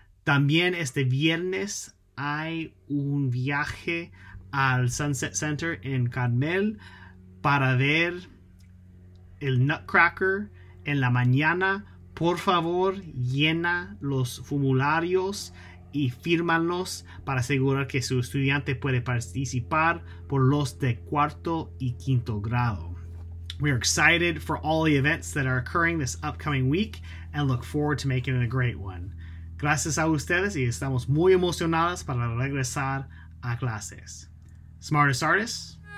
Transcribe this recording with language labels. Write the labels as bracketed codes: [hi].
[es] También este viernes hay un viaje al Sunset Center en Carmel para ver el Nutcracker en la mañana. Por favor, llena los formularios y fírmanlos para asegurar que su estudiante puede participar por los de cuarto y quinto grado. [en] We are excited for all the events that are occurring this upcoming week and look forward to making it a great one. [es] Gracias a ustedes y estamos muy emocionadas para regresar a clases. [en] Smartest artists?